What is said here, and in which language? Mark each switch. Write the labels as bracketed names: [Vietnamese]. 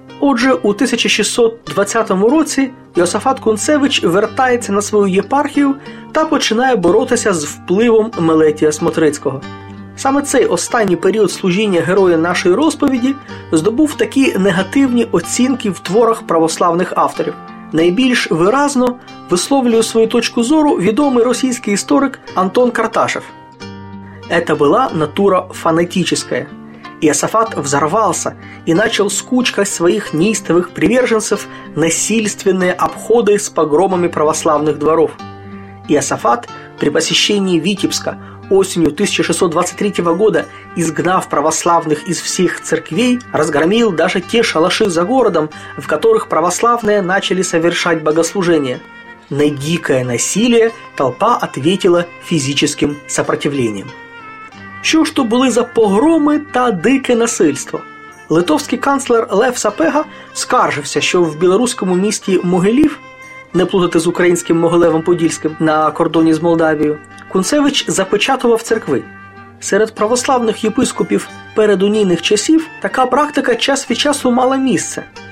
[Ukrainian] Отже, у 1620 році Йосафат Кунцевич вертається на свою єпархію та починає боротися з впливом Мелетія Смотрицького. Саме цей останній період служіння героя нашої розповіді здобув такі негативні оцінки в творах православних авторів. Найбільш виразно висловлює свою точку зору відомий російський історик Антон Карташев. [Russian] «Это была натура фанатическая. Йосафат взорвался и начал с кучкой своих неистовых приверженцев насильственные обходы с погромами православных дворов. Йосафат при посещении Витебска осенью 1623 года, изгнав православных из всех церквей, разгромил даже те шалаши за городом, в которых православные начали совершать богослужение. На дикое насилие толпа ответила физическим сопротивлением». [Ukrainian] Що ж то були за погроми та дике насильство? Литовський канцлер Лев Сапега скаржився, що в білоруському місті Могилів, не плутати з українським Могилевом Подільським на кордоні з Молдавією, Кунцевич запечатував церкви. Серед православних єпископів передунійних часів така практика час від часу мала місце.